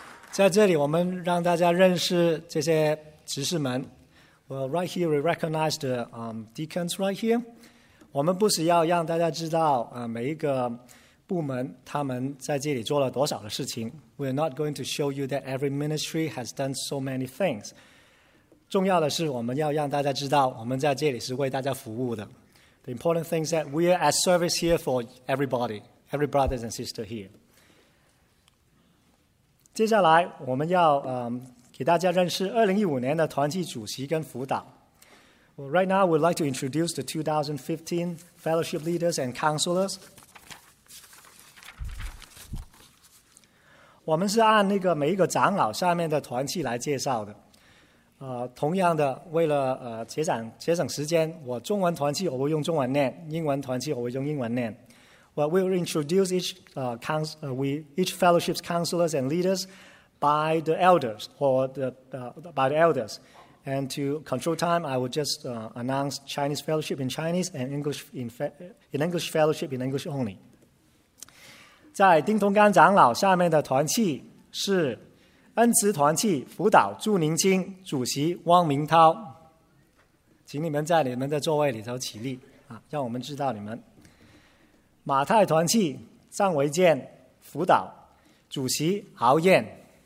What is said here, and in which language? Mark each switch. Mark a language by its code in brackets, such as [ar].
[zh] 在这里我们让大家认识这些执事们。 [en] Well, right here we recognize the deacons right here. [zh] 我们不是要让大家知道每一个部门他们在这里做了多少的事情。 [en] We're not going to show you that every ministry has done so many things. [zh] 重要的是我们要让大家知道我们在这里是为大家服务的。 [en] The important thing is that we are at service here for everybody, every brothers and sisters here. [zh] 接下来我们要给大家认识2015年的团契主席跟辅导。 [en] Well, right now, we'd like to introduce the 2015 fellowship leaders and counselors. [zh] 我们是按那个每一个长老下面的团契来介绍的。同样的，为了节省时间，我中文团契我会用中文念，英文团契我会用英文念。 [en] Well, we'll introduce each fellowship's counselors and leaders by the elders or by the elders, and to control time, I will just announce Chinese fellowship in Chinese and English in English fellowship in English only. [zh] 在丁同甘长老下面的团契是恩慈团契辅导祝宁清主席汪明涛。请你们在你们的座位里头起立啊，让我们知道你们。马太团契张维健辅导，主席豪燕。